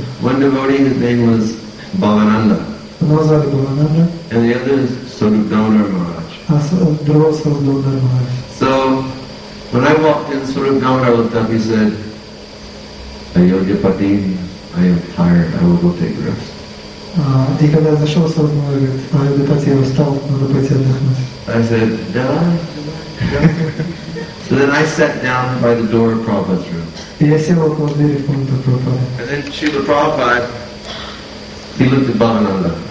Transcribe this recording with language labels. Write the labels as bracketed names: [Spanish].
[English] One devotee, his name was Bhavananda. And the other is Swarupdamodara Maharaj. So, when I walked in, Swarupdamodara looked up, he said, Ayodhyapati, I am tired, I will go take rest. [Russian] И когда я зашел, он говорит, Ayodhyapati, я устал, надо пойти отдохнуть. [English] I said, [Russian] давай. [English] So then I sat down by the door of Prabhupada's room. [Russian] И я сел около двери в комнату Прабхупады. [English] And then Srila Prabhupada, he looked at Bhavananda.